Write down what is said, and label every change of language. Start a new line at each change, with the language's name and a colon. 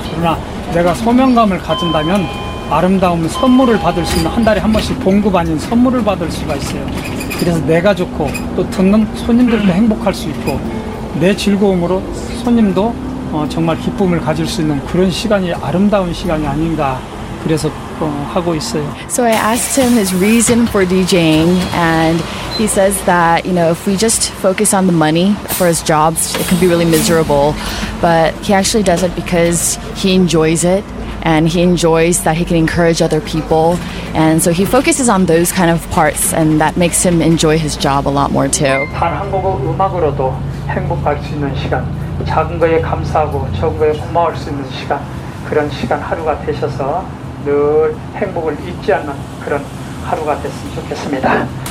Korean: 그러나 내가 소명감을 가진다면 아름다운 선물을 받을 수 있는 한 달에 한 번씩 봉급 아닌 선물을 받을 수가 있어요. 그래서 내가 좋고 또 듣는 손님들도 행복할 수 있고 내 즐거움으로 손님도 정말 기쁨을 가질 수 있는 그런 시간이 아름다운 시간이 아닌가 그래서 하고 있어요.
English: So I asked him his reason for DJing and he says that, you know, if we just focus on the money for his jobs, it can be really miserable. But he actually does it because he enjoys it. And he enjoys that he can encourage other people. And so he focuses on those kind of parts and that makes him enjoy his job a lot more too.
Korean: 단 한 곡 음악으로도 행복할 수 있는 시간, 작은 거에 감사하고 적은 거에 고마울 수 있는 시간, 그런 시간 하루가 되셔서 늘 행복을 잊지 않는 그런 하루가 됐으면 좋겠습니다.